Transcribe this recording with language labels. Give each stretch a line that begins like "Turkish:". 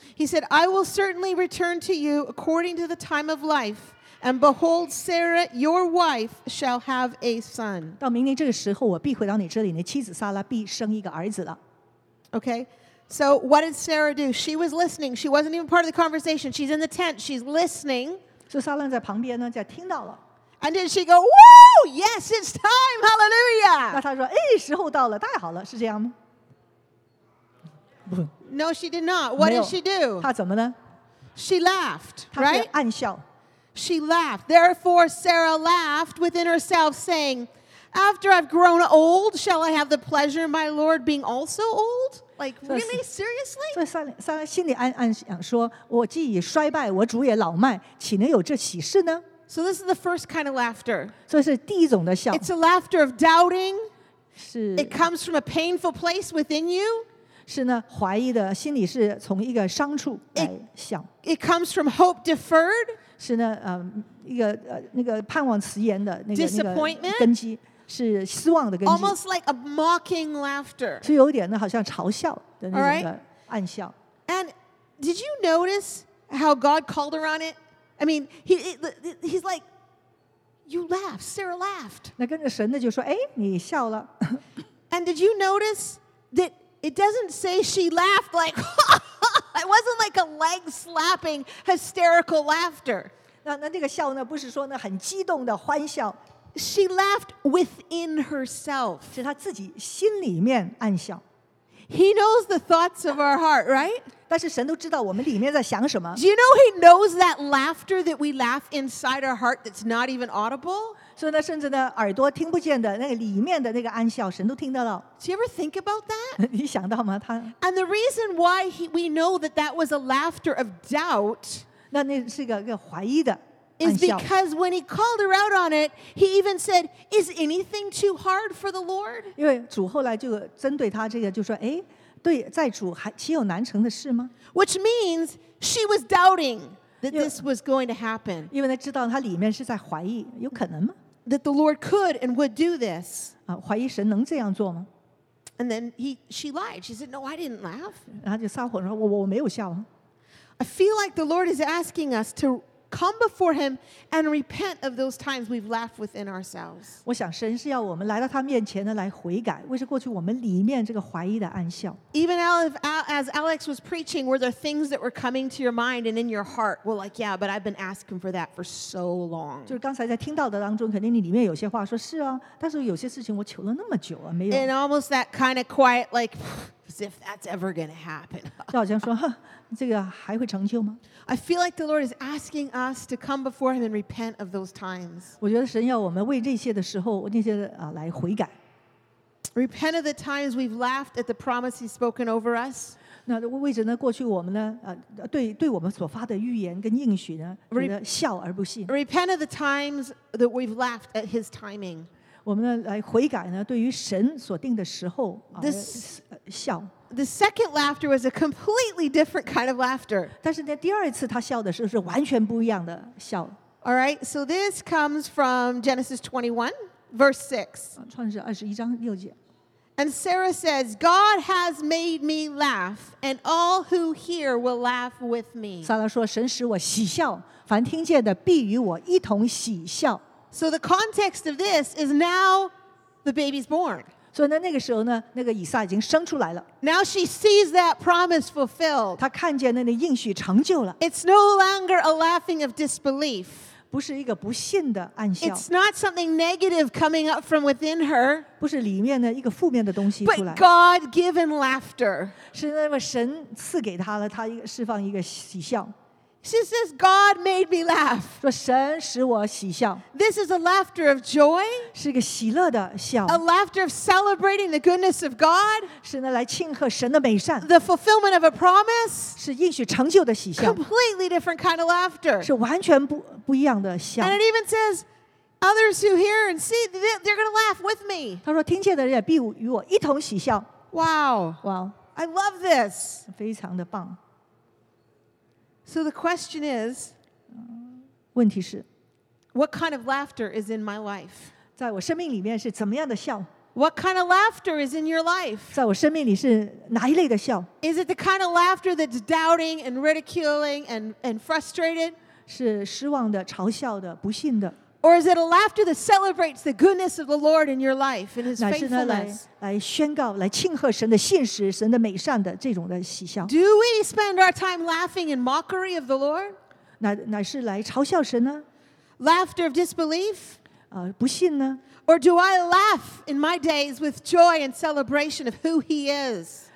English: He said, I will certainly return to you according to the time of life. And behold, Sarah, your wife, shall have a son.
Chinese: 到明年这个时候，我必回到你这里，你妻子撒拉必生一个儿子了。
English: Okay, so what did Sarah do? She was listening. She wasn't even part of the conversation. She's in the tent. She's listening.
Chinese: 所以撒拉在旁边呢，在听到了。
English: And did she go, "Woo! Yes, it's time! Hallelujah!"
Chinese: 那她说，哎，时候到了，太好了，是这样吗？不。
English: No, she did not. What did she do?
Chinese: 她怎么呢
English: ？She laughed. Right?
Chinese: 她是暗笑。
English: She laughed. Therefore, Sarah laughed within herself, saying, "After I've grown old, shall I have the pleasure, my lord, being also old?" Like really, seriously?
Chinese: 所以撒拉心里暗想说，我既已衰败，我主也老迈，岂能有这喜事呢
English: ？So this is the first kind of laughter.
Chinese: 所以是第一种的笑。
English: It's a laughter of doubting.
Chinese: 是。
English: It comes from a painful place within you.
Chinese: 是呢，怀疑的心里是从一个伤处来笑。
English: It comes from hope deferred.
Chinese: 是呢，一个那个盼望迟延的那个根基，是失望的根基。
English: Almost like a mocking laughter，
Chinese: 是有点呢，好像嘲笑的那个暗笑。
English: And did you notice how God called her on it? I mean, he's like, you laughed, Sarah laughed.
Chinese: 那跟着神的就说，哎，你笑了。
English: And did you notice that it doesn't say she laughed like? It wasn't like a leg-slapping, hysterical laughter.
Chinese: 那个笑呢，不是说呢很激动的欢笑。
English: She laughed within herself.
Chinese: 是她自己心里面暗笑。
English: He knows the thoughts of our heart, right?
Chinese: 但是神都知道我们里面在想什么。
English: Do you know he knows that laughter that we laugh inside our heart that's not even audible?
Chinese: 所以呢，甚至呢，耳朵听不见的那个里面的那个暗笑，神都听得到。
English: Do you ever think about that?
Chinese: 你想到吗？他。
English: And the reason why we know that that was a laughter of doubt.
Chinese: 那是一个怀疑的暗笑。
English: Is because when he called her out on it, he even said, "Is anything too hard for the Lord?"
Chinese: 因为主后来就针对他这个就说，哎，对，在主还岂有难成的事吗
English: ？Which means she was doubting. That this was going to happen.
Chinese: 因为他知道他里面是在怀疑，有可能吗
English: ？That the Lord could and would do this.
Chinese: 怀疑神能这样做吗？
English: And then she lied. She said, "No, I didn't laugh."
Chinese: 然后就撒谎说，我没有笑。
English: I feel like the Lord is asking us to come before Him and repent of those times we've laughed within ourselves.
Chinese: 我想神是要我们来到他面前呢，来悔改，为是过去我们里面这个怀疑的暗笑。
English: Even as Alex was preaching, were there things that were coming to your mind and in your heart? Well, like, yeah, but I've been asking for that for so long.
Chinese: 就是刚才在听到的当中，肯定你里面有些话说是啊，但是有些事情我求了那么久啊，没有。
English: And almost that kind of quiet, like, as if that's ever going to happen.
Chinese: 就好像说，哼。这个还会成就吗？
English: I feel like the Lord is asking us to come before Him and repent of those times.
Chinese: 我觉得神要我们为这些的时候，那些啊来悔改。
English: Repent of the times we've laughed at the promise He's spoken over us.
Chinese: 那为着呢，过去我们呢，对我们所发的预言跟应许呢，觉得笑而不信。
English: Repent of the times that we've laughed at His timing.
Chinese: 我们呢来悔改呢，对于神所定的时候啊，笑。
English: The second laughter was a completely different kind of laughter.
Chinese: 但是呢，第二次他笑的时候是完全不一样的笑。
English: All right, so this comes from Genesis 21, verse 6.
Chinese: 创世二十一章六节。
English: And Sarah says, God has made me laugh, and all who hear will laugh with me.
Chinese: 撒拉说，神使我喜笑，凡听见的必与我一同喜笑。
English: So the context of this is now the baby's born.
Chinese: 所以呢，那个时候呢，那个以撒已经生出来了。
English: Now she sees that promise fulfilled.
Chinese: 她看见那个应许成就了。
English: It's no longer a laughing of disbelief.
Chinese: 不是一个不信的暗笑。
English: It's not something negative coming up from within her.
Chinese: 不是里面的一个负面的东西出来。
English: But God-given laughter.
Chinese: 是那么神赐给她了，她一个释放一个喜笑。
English: She says, "God made me laugh."
Chinese: 说神使我喜笑。
English: This is a laughter of joy.
Chinese: 是个喜乐的笑。
English: A laughter of celebrating the goodness of God.
Chinese: 是呢来庆贺神的美善。
English: The fulfillment of a promise.
Chinese: 是应许成就的喜笑。
English: Completely different kind of laughter.
Chinese: 是完全不一样的笑。
English: And it even says, "Others who hear and see, they're going to laugh with me."
Chinese: 他说听见的人也必与我一同喜笑。
English: Wow! Wow! I love this.
Chinese: 非常的棒。
English: So the question is,
Chinese: 问题是
English: what kind of laughter is in my life?
Chinese: 在我生命里面是怎么样的笑？
English: What kind of laughter is in your life?
Chinese: 在我生命里是哪一类的笑？
English: Is it the kind of laughter that's doubting and ridiculing and frustrated?
Chinese: 是失望的、嘲笑的、不信的。
English: Or is it a laughter that celebrates the goodness of the Lord in your life and His faithfulness?
Chinese: 乃是呢来宣告、来庆贺神的信实、神的美善的这种的喜笑。
English: Do we spend our time laughing in mockery of the Lord?
Chinese: 乃是来嘲笑神呢？
English: Laughter of disbelief?
Chinese: 不信呢？
English: Or do I laugh in my days with joy and celebration of who He is?